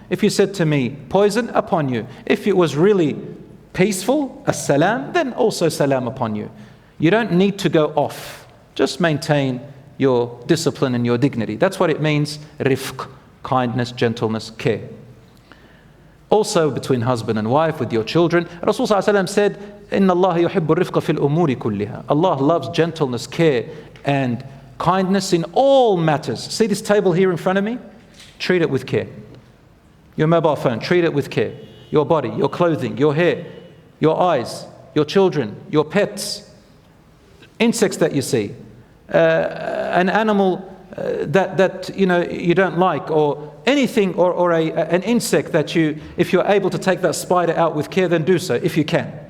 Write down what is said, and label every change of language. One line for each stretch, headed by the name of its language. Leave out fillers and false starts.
English: If you said to me, poison, upon you. If it was really peaceful, as-salam, then also salam upon you. You don't need to go off. Just maintain your discipline and your dignity. That's what it means, rifq, kindness, gentleness, care. Also between husband and wife, with your children.
Arabic: Rasulullah ﷺ said, إِنَّ اللَّهَ يُحِبُّ الرِّفْقَ فِي الْأُمُورِ كُلِّهَا.
English: Allah loves gentleness, care, and kindness in all matters. See this table here in front of me? Treat it with care. Your mobile phone, treat it with care. Your body, your clothing, your hair, your eyes, your children, your pets. Insects that you see, an animal that you know you don't like, or anything, or an insect that you, if you're able to take that spider out with care, then do so, if you can.